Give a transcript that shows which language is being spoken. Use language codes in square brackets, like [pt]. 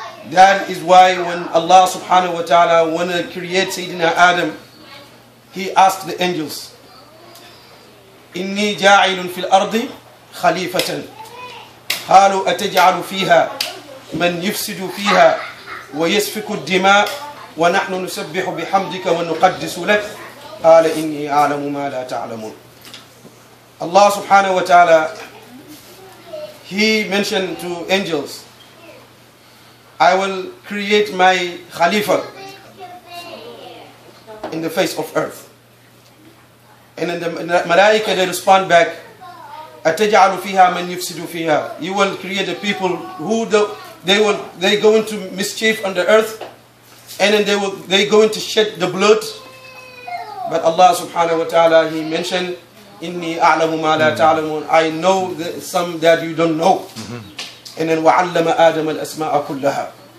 [en] That is why when Allah subhanahu wa ta'ala wanna create Sayyidina Adam, He asked the angels, [ar] إِنِّي جَاعِلٌ فِي الْأَرْضِ خَلِيفَةً قَالُوا أَتَجْعَلُ فِيهَا مَنْ يُفْسِدُ فِيهَا وَيَسْفِكُ الدِّمَاءُ وَنَحْنُ نُسَبِّحُ بِحَمْدِكَ وَنُقَدِّسُ لَكَ قَالَ إِنِّي أَعْلَمُ مَا لَا تَعْلَمُونَ. [en] Allah subhanahu wa ta'ala, He mentioned to angels, I will create my Khalifa in the face of earth. And then the Malaika, they respond back, [ar] أَتَجْعَلُ فِيهَا مَنْ يُفْسِدُ فِيهَا. [en] You will create a people who they go into mischief on the earth, and then they go into shed the blood. But Allah subhanahu wa ta'ala, He mentioned, [ar] إِنِّي أَعْلَمُ مَا لَا تَعْلَمُونَ, [en] I know some that you don't know. And then [ar] وَعَلَّمَ آدَمَ الْأَسْمَاءَ كُلَّهَا.